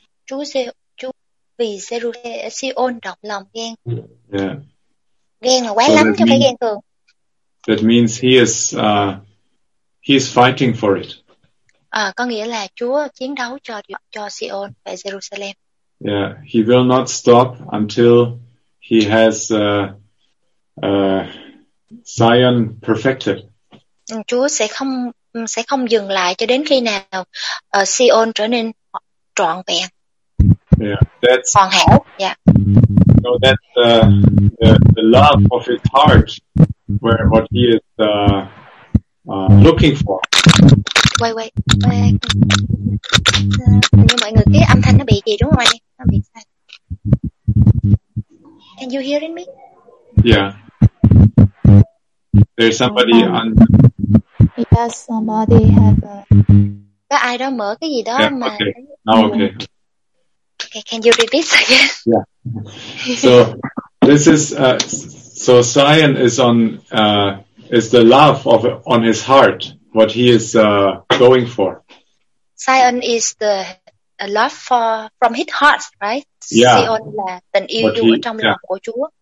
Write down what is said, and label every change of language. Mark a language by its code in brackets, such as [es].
[vi] Chú vì Jerusalem độc lòng ghen. Yeah. Ghen là quá lắm cho cái ghen thường. [en] That means he is fighting for it. [vi] À, có nghĩa là Chúa chiến đấu cho Zion và Jerusalem. [en] Yeah, he will not stop until he has Zion perfected. [vi] Chúa sẽ không dừng lại cho đến khi nào Zion trở nên trọn vẹn. [en] Yeah, that's [vi] hoàn hảo. Yeah. [en] So that's the love of his heart, where what he is looking for. Wait. [vi] Như mọi người cái âm thanh nó bị gì đúng không anh? [en] Can you hear me? Yeah. There's somebody on. Yes, somebody have a. [vi] Có ai đó mở cái gì đó [en] mà. Okay. Now okay. Okay, can you repeat again? Yeah. So this is so Zion is on is the love of on his heart what he is going for. Zion is the a love for from his heart, right? Yeah. [vi] Zion là tình yêu ở trong lòng của Chúa.